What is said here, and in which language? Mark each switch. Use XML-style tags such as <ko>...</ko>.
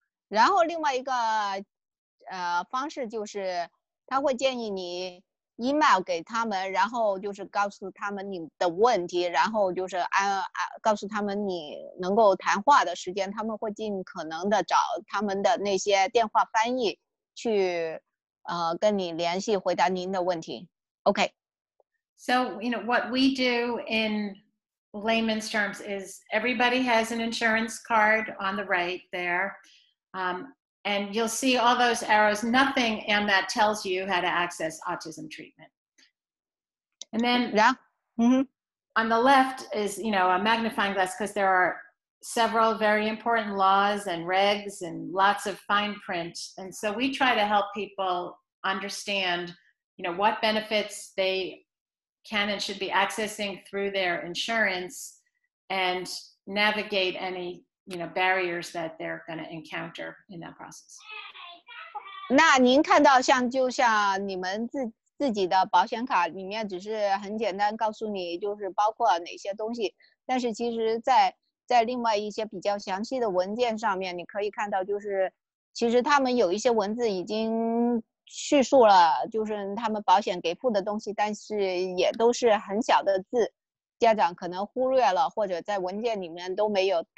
<zh>然后另外一个方式就是他会建议你 email 给他们，然后就是告诉他们你的问题，然后就是告诉他们你能够谈话的时间，他们会尽可能的找他们的那些电话翻译去跟你联系，回答您的问题。</zh> <en>OK. So, you know, what we do in layman's terms is everybody has an insurance card on the right there. And you'll see all those arrows, nothing on that tells you how to access autism treatment. And then yeah. mm-hmm. on the left is, you know, a magnifying glass because there are several very important laws and regs and lots of fine print. And so we try to help people understand, you know, what benefits they can and should be accessing through their insurance and navigate any, you know, barriers that they're going to encounter in that process.</en> <zh>那您看到像就像你们自己的保险卡里面只是很简单告诉你就是包括哪些东西，但是其实在另外一些比较详细的文件上面你可以看到，就是其实他们有一些文字已经叙述了就是他们保险给付的东西，但是也都是很小的字，家长可能忽略了，或者在文件里面都没有。</zh>